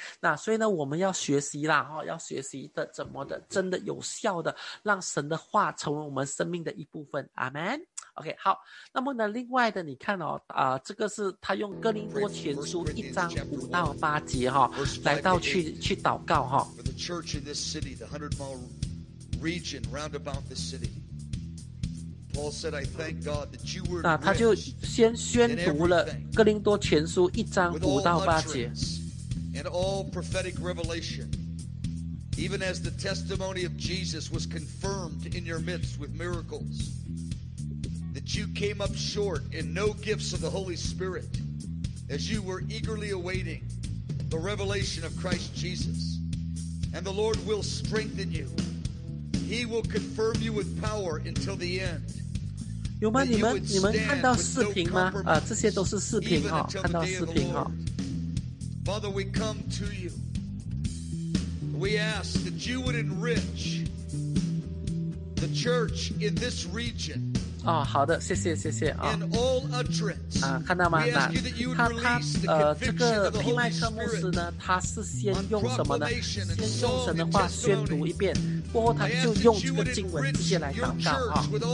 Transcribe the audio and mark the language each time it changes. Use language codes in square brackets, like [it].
[zh] 那所以呢，我们要学习啦哈，要学习的怎么的，真的有效的让神的话成为我们生命的一部分。阿门。 OK， 好，那么呢，另外的你看哦，这个是他用哥林多前书一章五到八节哈，来到去祷告哈。 [en] For the church in this city, the 100-mile region round about the city, Paul said, "I thank God that you were." [zh] 那他就先宣读了哥林多前书一章五到八节。 [en] And all prophetic revelation, even as the testimony of Jesus was confirmed in your midst with miracles. That you came up short in no gifts of the Holy Spirit, as you were eagerly awaiting the revelation of Christ Jesus. And the Lord will strengthen you. He will confirm you with power until the end. [zh] 有吗？你们看到视频吗？啊，这些都是视频哈，看到视频哈。 [en] Father, we come to you. We ask that you would enrich the church in this region. [zh] 哦，好的，谢谢啊。 [en] In all utterance, [zh] 啊，看到吗？那他这个披麦克牧师呢？他是先用什么呢？先用神的话宣读一遍，过后他就用这个经文直接来祷告啊。